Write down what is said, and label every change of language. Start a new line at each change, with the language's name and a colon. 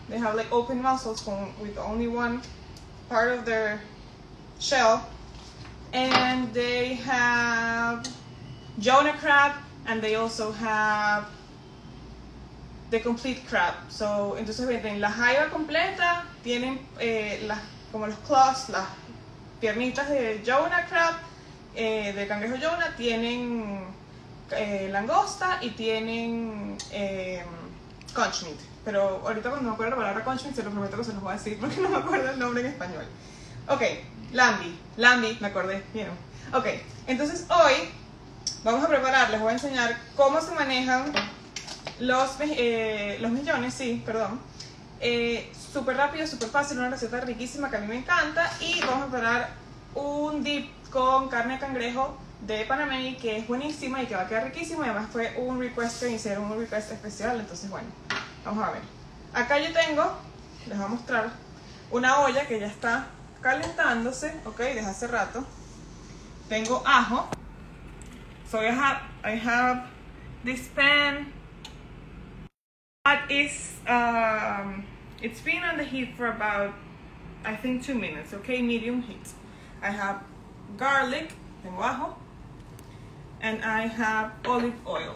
English: They have like open mussels with only one part of their shell, and they have Jonah crab, and they also have the complete crab.
Spanish: So, entonces tienen la jaiba completa, tienen como los claws, las piernitas de Jonah crab, de cangrejo Jonah, tienen langosta y tienen Conchmeat. Pero ahorita cuando me acuerdo la palabra Conchmeat, se lo prometo que se los voy a decir porque no me acuerdo el nombre en español. Ok, Lambi. Lambi, me acordé, vieron. Ok, entonces hoy vamos a preparar, les voy a enseñar cómo se manejan los millones, sí, perdón. Súper rápido, súper fácil, una receta riquísima que a mí me encanta. Y vamos a preparar un dip con carne de cangrejo de panameño que es buenísima y que va a quedar riquísima. Además fue un request que hicieron, un request especial. Entonces bueno, vamos a ver. Acá yo tengo, les voy a mostrar, una olla que ya está calentándose, ok, desde hace rato. Tengo ajo.
English: So I have this pan that is it's been on the heat for about, I think, 2 minutes, okay, medium heat. I have garlic,
Spanish: tengo ajo,
English: and I have olive oil.